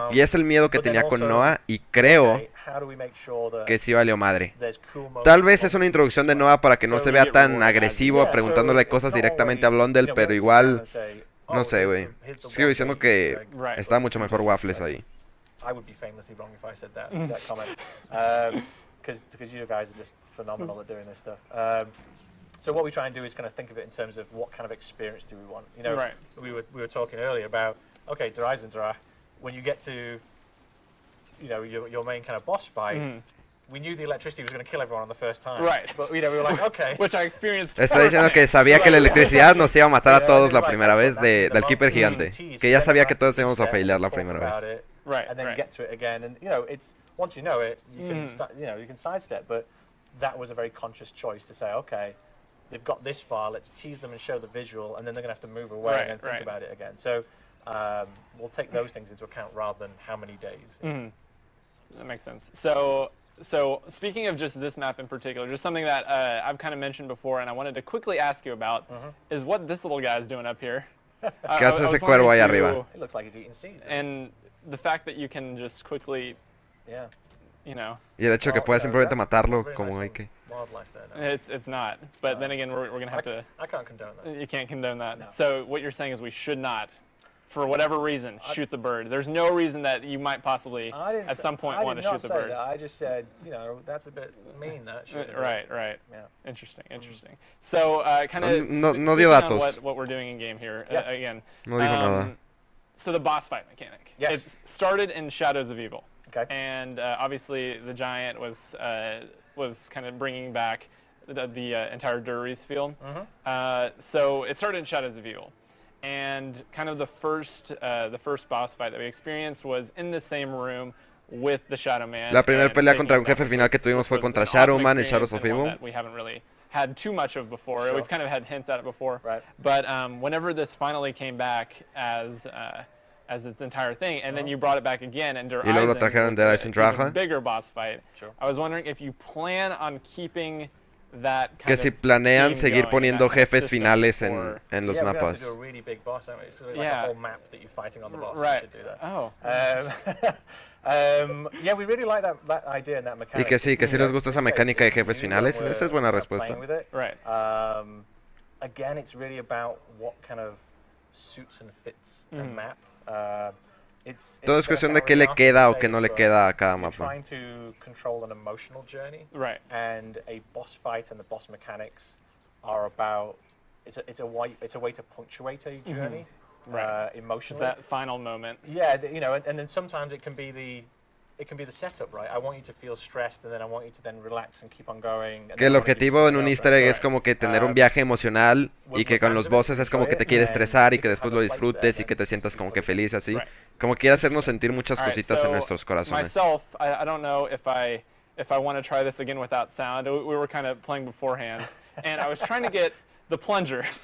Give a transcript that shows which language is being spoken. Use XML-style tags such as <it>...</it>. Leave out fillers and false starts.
<es>Y es el miedo que tenía con Noah y creo que sí valió madre. Tal vez es una introducción de Noah para que no se vea tan agresivo preguntándole cosas directamente a Blondel, pero igual... No sé, güey. Sigo diciendo que está mucho mejor Waffles ahí.</es> <en>I would be famously wrong if I said that comment. Because you guys are just phenomenal at doing this stuff. So what we try and do is kind of think of it in terms of what kind of experience do we want. You know, we were talking earlier about, okay, Dreisendrach, when you get to, you know, your main kind of boss fight, we knew the electricity was going to kill everyone on the first time. Right. But you know, we were like, okay. Which I experienced.</en> <es>Está diciendo que sabía que la electricidad nos iba a matar a todos la primera vez del Keeper Gigante. Que ya sabía que todos íbamos a failar la primera vez.</es> <en>Right. And then get to it again. And you know, it's once you know it, you can start, you know, you can sidestep. But that was a very conscious choice to say, okay, they've got this far. Let's tease them and show the visual, and then they're going to have to move away and think about it again. So we'll take those things into account rather than how many days. That makes sense. So speaking of just this map in particular, just something that I've kind of mentioned before and I wanted to quickly ask you about is what this little guy is doing up here. ¿Qué hace ese cuervo ahí arriba? It looks like he's eating seeds. And the fact that you can just quickly, you know. Y el hecho que puedes simplemente matarlo como hay que. It's not. But then again, we're going to have to. I can't condone that. You can't condone that. No. So what you're saying is we should not. For whatever reason, shoot the bird. There's no reason that you might possibly at some point want to shoot the bird. I did not say that. I just said, you know, that's a bit mean, that shooting. Right. Yeah. Interesting. So, kind of speaking on what we're doing in-game here, again.</en> <es>No dijo nada.</es> <en>So, the boss fight mechanic. Yes. It started in Shadows of Evil. Okay. And, obviously, the giant was kind of bringing back the entire Dury's feel. Mm-hmm. So, it started in Shadows of Evil. And kind of the first boss fight that we experienced was in the same room with the Shadow Man.</en> <es>La primera pelea contra un jefe final que tuvimos fue contra Shadow Man en Shadows of Evil.</es> <en>We haven't really had too much of before. Sure. We've kind of had hints at it before. Right. But whenever this finally came back as as its entire thing, and then you brought it back again under</en> <es>y luego lo trajeron de Aizen Raja.</es> <en>Bigger boss fight. Sure. I was wondering if you plan on keeping that kind</en> <es>que</es> <en>of</en> <es>si planean seguir</es> <en>going,</en> <es>poniendo jefes finales or, en los mapas.</es> <en>Yeah, we have to do a really big boss, don't we? It's like a whole map that you're fighting on the boss. Right. Do that. Oh. yeah, we really like that idea and that mechanic.</en> <es>Y que sí nos gusta esa mecánica de jefes finales. Esa es buena respuesta.</es> <en>Right. Again, it's really about what kind of suits and fits the map.</en> <es>Todo es cuestión de qué le queda o qué no le queda a cada mapa.</es> <en>Trying to control an emotional journey. Right. And a boss fight and the boss mechanics are about it's a way to punctuate a journey. Mm-hmm. Right. Emotionally. It's that final moment. Yeah, you know, and then sometimes it can be the setup, right? I want you to feel stressed and then I want you to then relax and keep on going.</en> <es>Que el objetivo en un easter egg es como que tener un viaje emocional y que con los bosses es como que te quieres estresar y que después lo disfrutes y que te sientas como que feliz así. Como quiere hacernos sentir muchas cositas en nuestros corazones.</es> <en>Myself, I don't know if I want to try this again without sound. We were kind of playing beforehand and I was trying to get the plunger.</en>